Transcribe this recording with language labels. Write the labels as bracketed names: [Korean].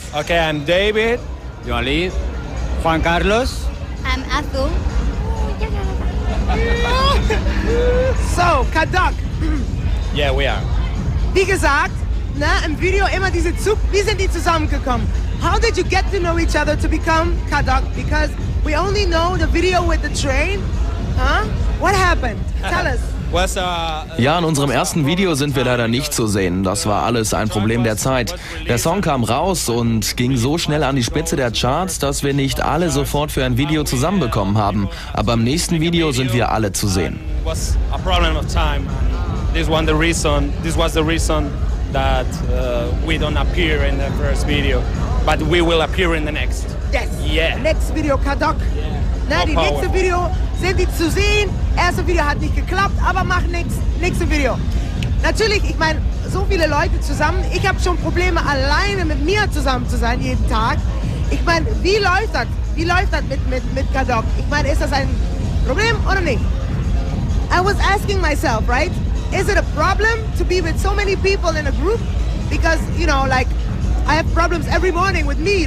[English] Okay, I'm David. You are Lee. Juan Carlos. I'm Azul. So, Kadok. Yeah, we are. [German] Wie gesagt, ne, im Video immer diese Zug, wie sind die zusammengekommen? [English] How did you get to know each other to become Kadok? Because we only know the video with the train. Huh? What happened? Tell us. [German] Ja, in unserem ersten Video sind wir leider nicht zu sehen. Das war alles ein Problem der Zeit. Der Song kam raus und ging so schnell an die Spitze der Charts, dass wir nicht alle sofort für ein Video zusammenbekommen haben. Aber im nächsten Video sind wir alle zu sehen. [English] Was a problem of time. This was the reason. This was the reason that we don't appear in the first video, but we will appear in the next. Yes. Yeah. Next video, Kadok. Yeah. [German] Na, die nächste Video sind die zu sehen. Erste Video hat nicht geklappt, aber mach nichts. Nächste Video. Natürlich, ich meine, so viele Leute zusammen. Ich habe schon Probleme, alleine mit mir zusammen zu sein jeden Tag. Ich meine, wie läuft das? Wie läuft das mit Kadok? Ich meine, ist das ein Problem oder nicht? [English] I was asking myself, right? Is it a problem to be with so many people in a group? Because, you know, like, I have problems every morning with me.